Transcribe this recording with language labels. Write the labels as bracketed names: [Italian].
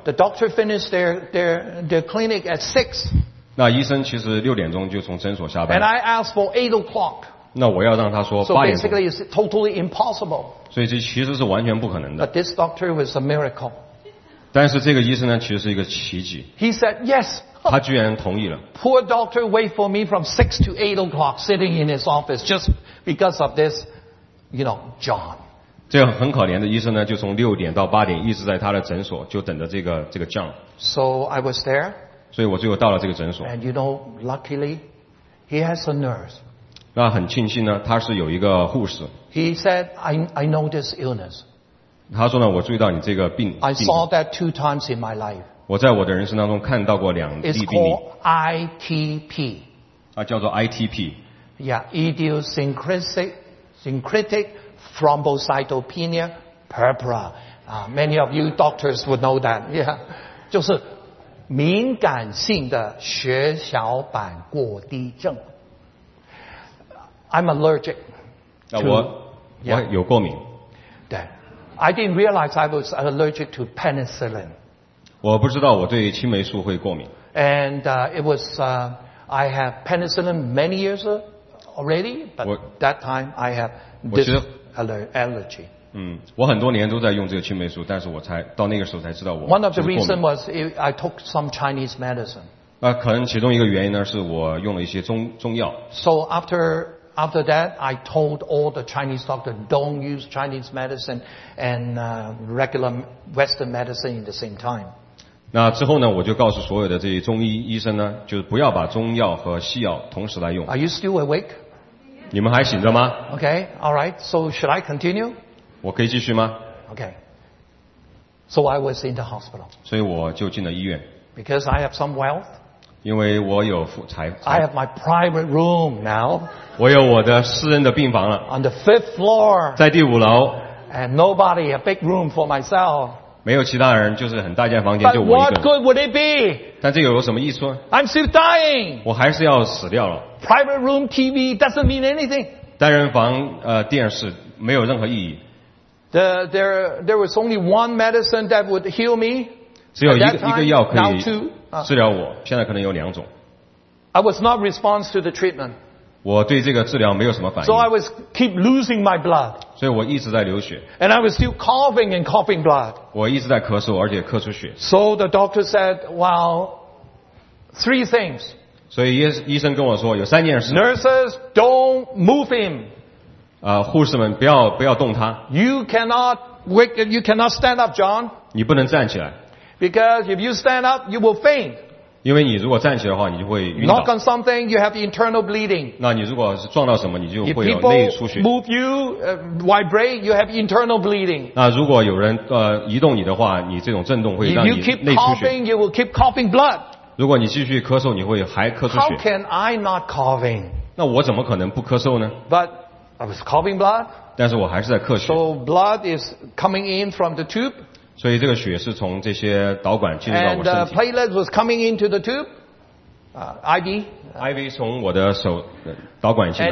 [English] The doctor finished their clinic at 6. [Chinese] 那医生其实六点钟就从诊所下班。 [English] And I asked for 8 o'clock. [Chinese] 那我要让他说八点钟。 [English] So basically, it's totally impossible. [Chinese] 所以这其实是完全不可能的。 [English] But this doctor was a miracle. [Chinese] 但是这个医生呢，其实是一个奇迹。 [English] He said yes. [Chinese] 他居然同意了。 [English] Poor doctor wait for me from 6 to 8 o'clock, sitting in his office just because of this, you know, John. [Chinese] 这个很可怜的医生呢，就从六点到八点一直在他的诊所，就等着这个 John. [English] So I was there. [Chinese] 所以我最后到了这个诊所。 [English] And you know, luckily, he has a nurse. [Chinese] 那很庆幸呢，他是有一个护士。 [English] He said, I know this illness. [Chinese] 他说呢，我注意到你这个病。 [English] I saw that 2 times in my life. [Chinese] 我在我的人生当中看到过两例病例。 [English] It's called ITP. [Chinese] 它叫做 ITP. [English] Yeah, idiosyncratic thrombocytopenia purpura. Many of you doctors would know that. Yeah, [Chinese] 就是敏感性的血小板过低症。 [English] I'm allergic. I didn't realize I was allergic to penicillin. [Chinese] 我不知道我对青霉素会过敏。 [English] And it was, I have penicillin many years already, but that time I have this allergy. [Chinese] 我很多年都在用这个青霉素，但是我才到那个时候才知道我。 [English] One of the reasons was I took some Chinese medicine. [Chinese] 可能其中一个原因呢，是我用了一些中药。 [English] So after that, I told all the Chinese doctors, don't use Chinese medicine and regular Western medicine at the same time. [Chinese] 那之后呢，我就告诉所有的这些中医医生呢，就是不要把中药和西药同时来用。 [English] Are you still awake? [Chinese] 你们还醒着吗？ [English] Okay, all right. So should I continue? [Chinese] 我可以继续吗？ [English] Okay. So I was in the hospital. [Chinese] 所以我就进了医院。 [English] Because I have some wealth. [Chinese] 因为我有财。 [English] I have my private room now. [Chinese] 我有我的私人的病房了。 [English] On the fifth floor. [Chinese] 在第五楼。 [English] And nobody, a big room for myself. [Chinese] 没有其他人，就是很大间房间，就我一个。 [English] But what good would it be? [Chinese] 但这有什么意思？ [English] I'm still dying. [Chinese] 我还是要死掉了。 [English] Private room TV doesn't mean anything. [Chinese] 单人房电视没有任何意义。 [English] There was only one medicine that would heal me. [Chinese] 只有一个药可以。治疗我现在可能有两种。 [English] I was not response to the treatment. [Chinese] 我对这个治疗没有什么反应。 [English] So I was keep losing my blood. [Chinese] 所以我一直在流血。 [English] And I was still coughing and coughing blood. [Chinese] 我一直在咳嗽，而且咳出血。 [English] So the doctor said, well, 3 things. [Chinese] 所以医生跟我说有三件事。 [English] Nurses, don't move him. [Chinese] 护士们不要动他。 [English] You cannot stand up, John. [Chinese] 你不能站起来。 [English] Because if you stand up, you will faint. [Chinese] 因为你如果站起来的话，你就会晕倒。 [English] Knock on something, you have internal bleeding. [Chinese] 那你如果是撞到什么，你就会有内出血。 [English] If people move you, vibrate, you have internal bleeding. [Chinese] 那如果有人移动你的话，你这种震动会让你内出血。 [English] If you keep coughing, you will keep coughing blood. [Chinese] 如果你继续咳嗽，你会还咳出血。 [English] How can I not coughing? [Chinese] 那我怎么可能不咳嗽呢？ [English] But I was coughing blood. [Chinese] 但是我还是在咳血。 [English] So blood is coming in from the tube. [Chinese] 所以这个血是从这些导管进入到我身体。 [English] And the platelet was coming into the tube, IV. [Chinese] IV 从我的手导管进来。